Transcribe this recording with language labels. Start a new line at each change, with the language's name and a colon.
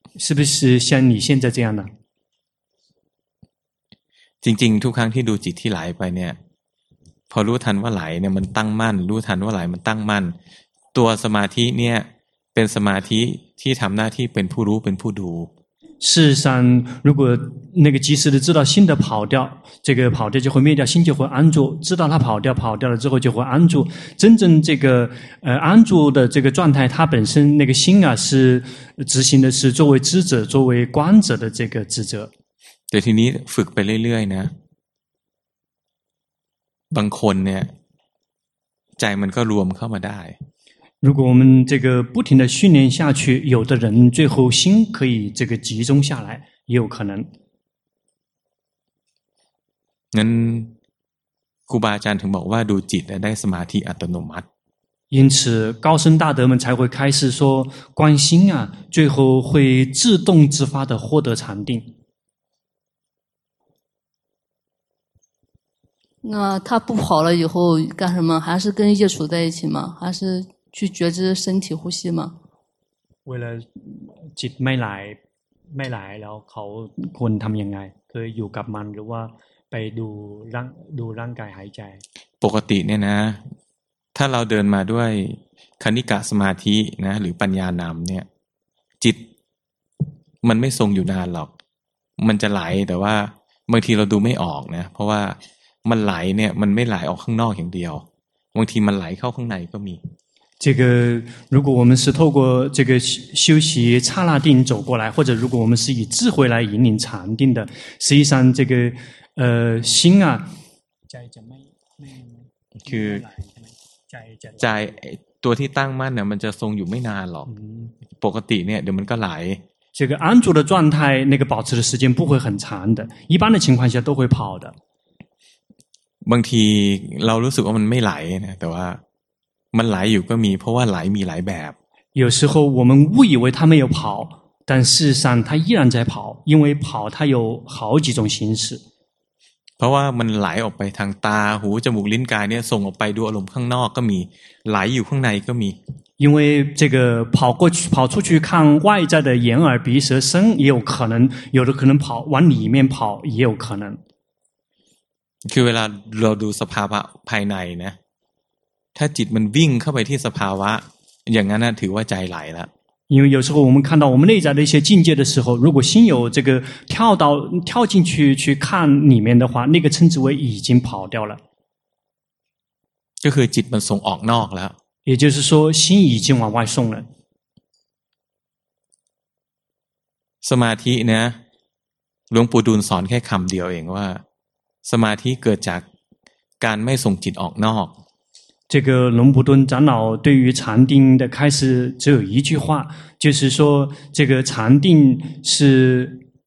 Chinese: 是不是像你现在这样的
Thai: จริงๆทุกครั้งที่ดูจิตที่ไหลไปเนี่ยพอรู้ทันว่าไหลเนี่ยมันตั้งมั่นรู้ทันว่าไหลมันตั้งมั่นตัวสมาธิเนี่ยเป็นสมาธิที่ทำหน้าที่เป็นผู้รู้เป็นผู้ดู
Chinese: 事实上如果那个及时的知道心的跑掉这个跑掉就会灭掉心就会安住知道它跑掉了之后就会安住真正这个安住的这个状态它本身那个心啊是执行的是作为知者作为观者的这个职责
Thai: แต่ทีนี้ฝึกไปเรื่อยๆนะบางคนเนี่ยใจมันก็รวมเข้ามาได้
Chinese: 如果我们这个不停的训练下去有的人最后心可以这个集中下来也有可能
Thai: งั้นครูบาอาจารย์ถึงบอกว่าดูจิตได้สมาธิอัตโนมัติ
Chinese: 因此高僧大德们才会开始说观心啊最后会自动自发的获得禅定那他不跑了以后干什么？还是跟业处在一起吗？还是去觉知身体呼吸吗？为了
Thai: จิต ไม่ไหลแล้วเขาควรทำยังไงคืออยู่กับมันหรือว่าไปดูร่างกายหายใจ ปกติเนี่ยนะถ้าเราเดินมาด้วยคณิกะสมาธินะหรือปัญญานำเนี่ยจิตมันไม่ทรงอยู่นานหรอกมันจะไหลแต่ว่าบางทีเราดูไม่ออกนะเพราะว่ามันไหลเนี่ยมันไม่ไหลออกข้างนอกอย่างเดียวบางทีมันไหลเข้าข้างในก็มี
Chinese: 这个如果我们是透过这个修习刹那定走过来或者如果我们是以智慧来引领禅定的实际上这个心啊
Thai: ใจจะไม่ไม่คือใจจะใจตัวที่ตั้งมั่นเนี่ยมันจะทรงอยู่ไม่นานหรอกปกติเนี่ยเดี๋ยวมันก็ไหล
Chinese: 这个安住的状态那个保持的时间不会很长的一般的情况下都会跑的
Thai: บางทีเรารู้สึกว่ามันไม่ไหลนะแต่ว่ามันไหลอยู่ก็มีเพราะว่าไหลมีหลายแบบ
Chinese: 有时候我们误以为它没有跑但事实上它依然在跑因为跑它有好几种形式
Thai: เพราะว่ามันไหลออกไปทางตาหูจมูกลิ้นกายเนี่ยส่งออกไปดูอารมณ์ข้างนอกก็มีไหลอยู่ข้างในก็มี
Chinese: 因为这个跑过去跑出去看外在的眼耳鼻舌身也有可能有的可能跑往里面跑也有可能
Thai: คือเวลาเราดูสภาวะภายในนะถ้าจิตมันวิ่งเข้าไปที่สภาวะอย่างนั้นนะถือว่าใจไหลแล้ว
Chinese: 因为有时候我们看到我们内在的一些境界的时候如果心有这个跳进去去看里面的话那个称之为已经跑掉了
Thai: ก็คือจิตมันส่งออกนอกแล้ว
Chinese: 也就是说心已经往外送了
Thai: สมาธินะหลวงปู่ดูลสอนแค่คำเดียวเองว่าสมาธิเกิดจากการไม่ส่งจิตออกนอก
Chinese: 这个龙普顿长老对于禅定的开始只有一句话就是说这个禅定是